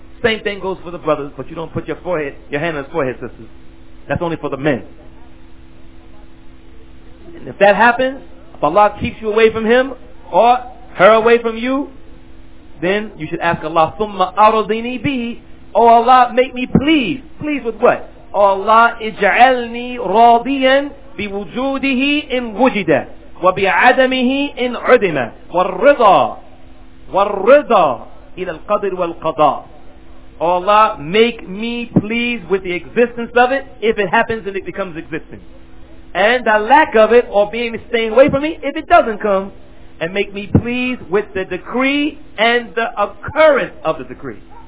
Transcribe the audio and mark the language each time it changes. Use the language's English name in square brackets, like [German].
[English] Same thing goes for the brothers, but you don't put your hand on his forehead, sisters. That's only for the men. And if that happens, if Allah keeps you away from him or her away from you, then you should ask Allah, [Arabic] ثُمَّ أَرَضِينِي بِهِ. [English] Oh Allah, make me please. Please with what? [Arabic] Oh Allah, اجعلني راضياً بوجوده إن وجد وبعدمه إن عدم والرضا إلى القدر والقضاء. [English] Oh Allah, make me please with the existence of it if it happens and it becomes existent, and the lack of it or being staying away from me if it doesn't come, and make me pleased with the decree and the occurrence of the decree.